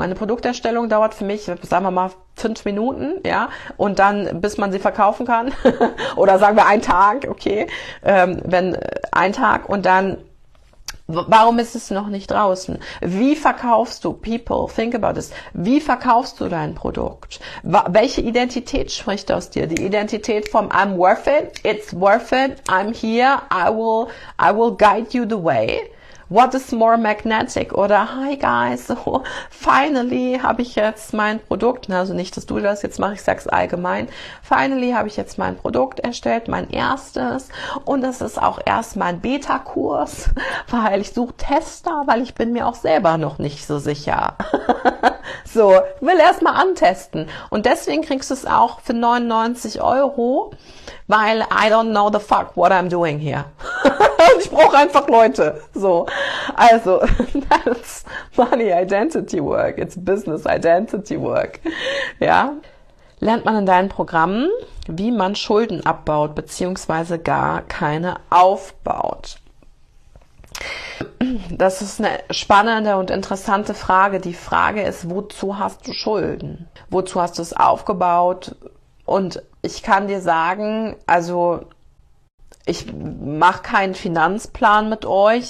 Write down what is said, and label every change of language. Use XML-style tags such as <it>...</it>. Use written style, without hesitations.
<de>Eine Produkterstellung dauert für mich, sagen wir mal, 5 Minuten, ja, und dann, bis man sie verkaufen kann, oder sagen wir einen Tag, okay, wenn ein Tag und dann, warum ist es noch nicht draußen? Wie verkaufst du,</de> <en>people, think about this,</en> <de>wie verkaufst du dein Produkt? Welche Identität spricht aus dir? Die Identität vom</de> <en>I'm worth it, it's worth it, I'm here, I will guide you the way. What is more magnetic?</en> <de>Oder hi guys, so, finally habe ich jetzt mein Produkt. Also nicht, dass du das jetzt machst, ich sage es allgemein. Finally habe ich jetzt mein Produkt erstellt, mein erstes. Und das ist auch erst mein Beta-Kurs, weil ich suche Tester, weil ich bin mir auch selber noch nicht so sicher. So, will erst mal antesten. Und deswegen kriegst du es auch für 99 €, weil</de> <en>I don't know the fuck what I'm doing here.</en> <de>Ich brauche einfach Leute. So.</de> <en>Also, that's money identity work. It's business identity work. Ja.</en> <de>lernt man in deinen Programmen, wie man Schulden abbaut bzw. gar keine aufbaut. Das ist eine spannende und interessante Frage. Die Frage ist, wozu hast du Schulden? Wozu hast du es aufgebaut? Und ich kann dir sagen, also ich mache keinen Finanzplan mit euch.</de>